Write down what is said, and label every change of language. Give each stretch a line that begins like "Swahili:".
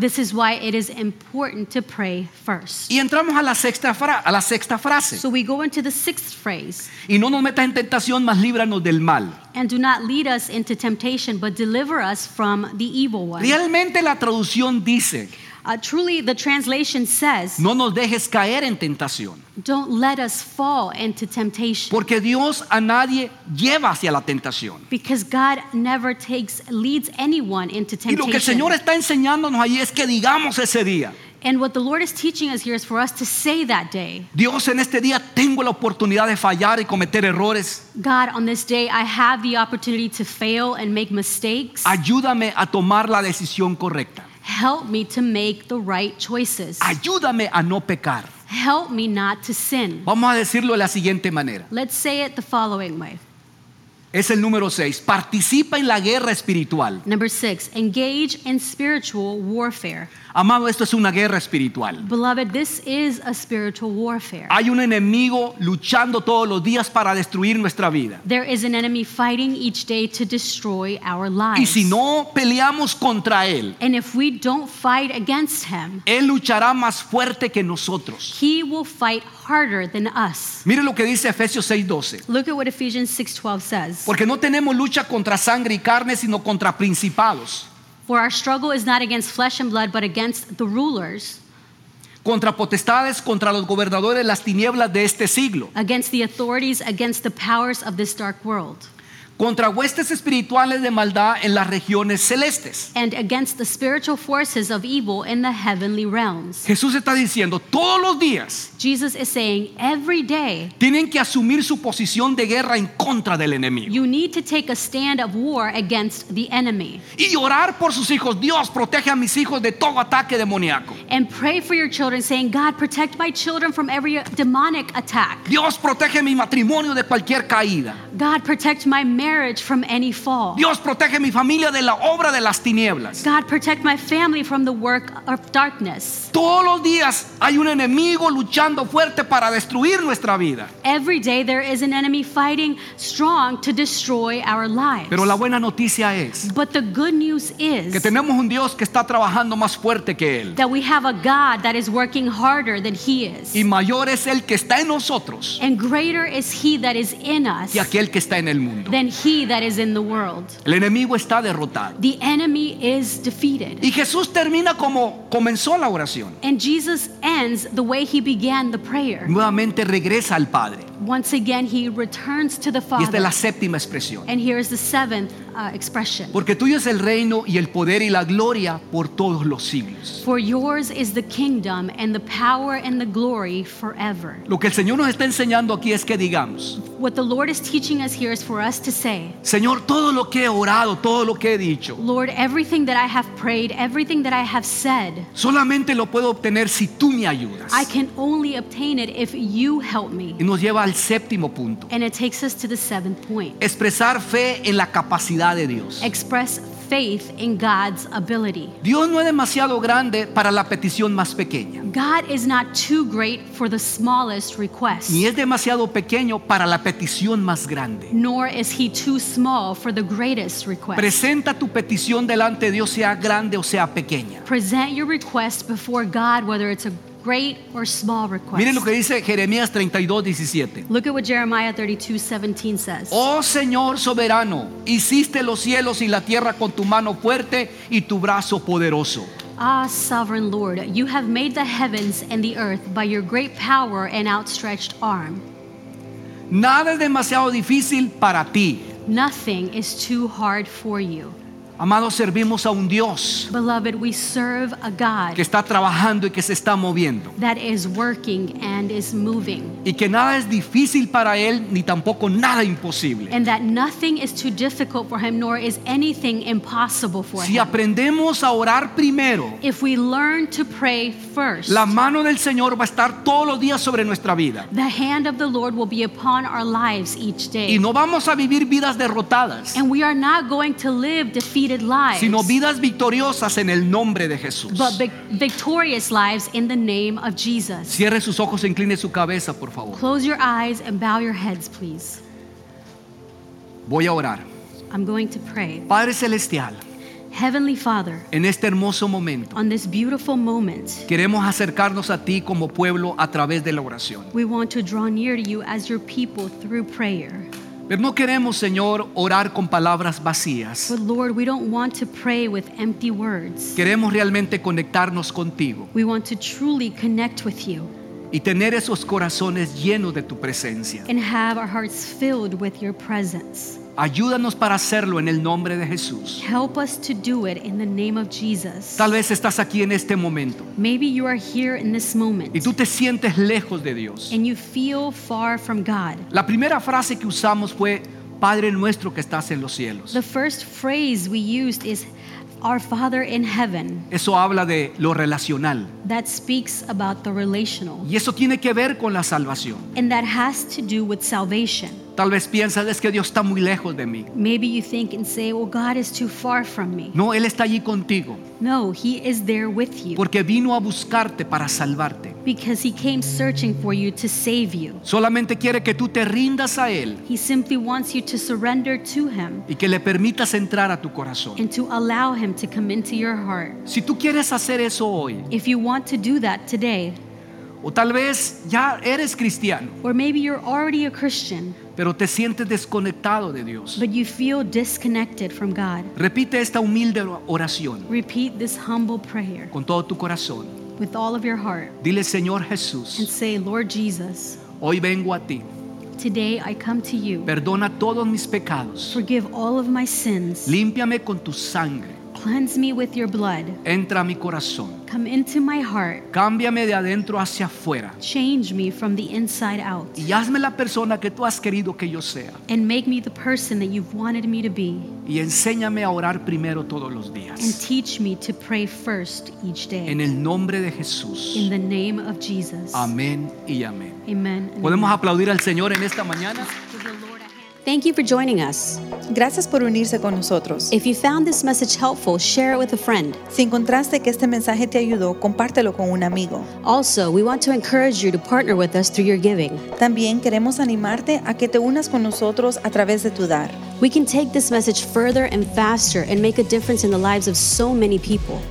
English: This is why it is important to pray first.
Spanish: Y entramos a la sexta frase.
English: So we go into the sixth phrase.
Spanish: Y no nos metas en tentación, mas líbranos del mal.
English: And do not lead us into temptation, but deliver us from the evil one.
Spanish: Realmente la traducción dice,
English: Truly, the translation says,
Spanish: no nos dejes caer en tentación.
English: Don't let us fall into temptation.
Spanish: Porque Dios a nadie lleva hacia la tentación.
English: Because God never leads anyone into temptation.
Spanish: Y lo que el Señor está enseñándonos ahí es que digamos ese día.
English: And what the Lord is teaching us here is for us to say that day.
Spanish: Dios, en este día tengo la oportunidad de fallar y cometer errores.
English: God, on this day I have the opportunity to fail and make mistakes.
Spanish: Ayúdame a tomar la decisión correcta.
English: Help me to make the right choices.
Spanish: Ayúdame a no pecar.
English: Help me not to sin.
Spanish: Vamos a decirlo de la siguiente manera.
English: Let's say it the following way.
Spanish: Es el número 6. Participa en la guerra espiritual.
English: Number 6. Engage in spiritual warfare.
Spanish: Amado, esto es una guerra espiritual.
English: Beloved, this is a spiritual warfare.
Spanish: Hay un enemigo luchando todos los días para destruir nuestra vida.
English: There is an enemy fighting each day to destroy our lives.
Spanish: Y si no peleamos contra él,
English: and if we don't fight against him,
Spanish: él luchará más fuerte que nosotros.
English: He will fight harder than us.
Spanish: Mire lo que dice Efesios 6:12.
English: Look at what Ephesians 6:12 says.
Spanish: Porque no tenemos lucha contra sangre y carne, sino contra principados.
English: For our struggle is not against flesh and blood, but against the rulers.
Spanish: Contra potestades, contra los gobernadores, las tinieblas de este siglo.
English: Against the authorities, against the powers of this dark world.
Spanish: Contra huestes espirituales de maldad en las regiones celestes.
English: And against the spiritual forces of evil in the heavenly realms.
Spanish: Jesús está diciendo, todos los días,
English: Jesus is saying, every day,
Spanish: tienen que asumir su posición de guerra en contra del enemigo.
English: You need to take a stand of war against the enemy.
Spanish: Y orar por sus hijos, Dios, protege a mis hijos de todo ataque demoníaco.
English: And pray for your children, saying, God, protect my children from every demonic attack.
Spanish: Dios, protege mi matrimonio de cualquier caída.
English: God, protect my marriage from any fall.
Spanish: Dios, protege mi familia de la obra de las tinieblas.
English: God, protect my family from the work of darkness.
Spanish: Todos los días hay un enemigo luchando fuerte para destruir nuestra vida.
English: Every day there is an enemy fighting strong to destroy our lives.
Spanish: Pero la buena noticia es,
English: but the good news is,
Spanish: que tenemos un Dios que está trabajando más fuerte que él.
English: That we have a God that is working harder than he is.
Spanish: Y mayor es el que está en nosotros.
English: And greater is he that is in us.
Spanish: Y aquel que está en el mundo.
English: Than he that is in the world.
Spanish: El enemigo está derrotado.
English: The enemy is defeated.
Spanish: Y Jesús termina como comenzó la oración.
English: And Jesus ends the way he began the prayer.
Spanish: Nuevamente regresa al Padre.
English: Once again, he returns to the Father.
Spanish: Y esta es la séptima expresión.
English: And here is the seventh expression.
Spanish: Porque tuyo es el reino y el poder y la gloria por todos los siglos.
English: For yours is the kingdom and the power and the glory forever.
Spanish: Lo que el Señor nos está enseñando aquí es que digamos.
English: What the Lord is teaching us here is for us to say.
Spanish: Señor, todo lo que he orado, todo lo que he dicho.
English: Lord, everything that I have prayed, everything that I have said.
Spanish: Solamente lo puedo obtener si tú me ayudas.
English: I can only obtain it if you help me.
Spanish: Y nos lleva al séptimo punto.
English: And it takes us to the seventh point.
Spanish: Expresar fe en la capacidad. De Dios.
English: Express faith in God's ability.
Spanish: Dios no es demasiado grande para la petición más pequeña.
English: God is not too great for the smallest request.
Spanish: Ni es demasiado pequeño para la petición más grande.
English: Nor is he too small for the greatest request.
Spanish: Presenta tu petición delante de Dios, sea grande o sea pequeña.
English: Present your request before God, whether it's a great or small request.
Spanish: Miren lo que dice Jeremías 32:17.
English: Look at what Jeremiah 32:17 says.
Spanish: Oh Señor soberano, hiciste los cielos y la tierra con tu mano fuerte y tu brazo poderoso.
English: Ah, sovereign Lord, you have made the heavens and the earth by your great power and outstretched arm.
Spanish: Nada es demasiado difícil para ti.
English: Nothing is too hard for you.
Spanish: Amados, servimos a un Dios.
English: Beloved, we serve a God
Spanish: que está trabajando y que se está moviendo.
English: That is working and is moving.
Spanish: Y que nada es difícil para él, ni tampoco nada imposible.
English: And that nothing is too difficult for him, nor is anything impossible for
Spanish: si Si aprendemos a orar primero,
English: if we learn to pray first,
Spanish: la mano del Señor va a estar todos los días sobre nuestra vida.
English: The hand of the Lord will be upon our lives each day.
Spanish: Y no vamos a vivir vidas derrotadas.
English: And we are not going to live defeated. Lives,
Spanish: sino vidas victoriosas en el nombre de Jesús.
English: But victorious lives in the name of Jesus.
Spanish: Cierre sus ojos, incline su cabeza, por favor.
English: Close your eyes and bow your heads, please.
Spanish: Voy a orar.
English: I'm going to pray.
Spanish: Padre celestial,
English: Heavenly Father,
Spanish: en este hermoso momento,
English: on this beautiful moment,
Spanish: queremos acercarnos a ti como pueblo a través de la oración.
English: We want to draw near to you as your people through prayer.
Spanish: Pero no queremos, Señor, orar con palabras vacías.
English: But Lord, we don't want to pray with empty words.
Spanish: Queremos realmente conectarnos contigo.
English: We want to truly connect with you.
Spanish: Y tener esos corazones llenos de tu presencia.
English: And have our hearts filled with your presence.
Spanish: Ayúdanos para hacerlo en el nombre de Jesús.
English: Help us to do it in the name of Jesus.
Spanish: Tal vez estás aquí en este momento.
English: Maybe you are here in this moment.
Spanish: Y tú te sientes lejos de Dios.
English: And you feel far from God.
Spanish: La primera frase que usamos fue Padre nuestro que estás en los cielos.
English: The first phrase we used is Our Father in heaven.
Spanish: Eso habla de lo relacional.
English: That speaks about the relational.
Spanish: Y eso tiene que ver con la salvación.
English: And that has to do with salvation.
Spanish: Tal vez piensas es que Dios está muy lejos de mí.
English: Maybe you think and say, well, God is too far from me.
Spanish: No, Él está allí contigo.
English: No, He is there with you.
Spanish: Porque vino a buscarte para salvarte.
English: Because He came searching for you to save you.
Spanish: Solamente quiere que tú te rindas a Él.
English: He simply wants you to surrender to Him.
Spanish: Y que le permitas entrar a tu corazón.
English: And to allow Him to come into your heart.
Spanish: Si tú quieres hacer eso hoy.
English: If you want to do that today.
Spanish: O tal vez ya eres cristiano.
English: Or maybe you're already a Christian.
Spanish: Pero te sientes desconectado de Dios.
English: But you feel disconnected from God.
Spanish: Repite esta humilde oración.
English: Repeat this humble prayer.
Spanish: Con todo tu corazón.
English: With all of your heart.
Spanish: Dile Señor Jesús.
English: And say, Lord Jesus.
Spanish: Hoy vengo a ti.
English: Today I come to you.
Spanish: Perdona todos mis pecados.
English: Forgive all of my sins.
Spanish: Límpiame con tu sangre.
English: Cleanse me with your blood.
Spanish: Entra a mi corazón.
English: Come into my heart.
Spanish: Cámbiame de adentro hacia afuera.
English: Change me from the inside out.
Spanish: Y hazme la persona que tú has querido que yo sea.
English: And make me the person that you've wanted me to be.
Spanish: Y enséñame a orar primero todos los días.
English: And teach me to pray first each day.
Spanish: En el nombre de Jesús.
English: In the name of Jesus.
Spanish: Amén y amén.
English: Amen.
Spanish: ¿Podemos aplaudir al Señor en esta mañana?
English: Thank you for joining us.
Spanish: Gracias por unirse con nosotros.
English: If you found this message helpful, share it with a friend.
Spanish: Si encontraste que este mensaje te ayudó, compártelo con un amigo.
English: Also, we want to encourage you to partner with us through your giving.
Spanish: También queremos animarte a que te unas con nosotros a través de tu dar.
English: We can take this message further and faster and make a difference in the lives of so many people.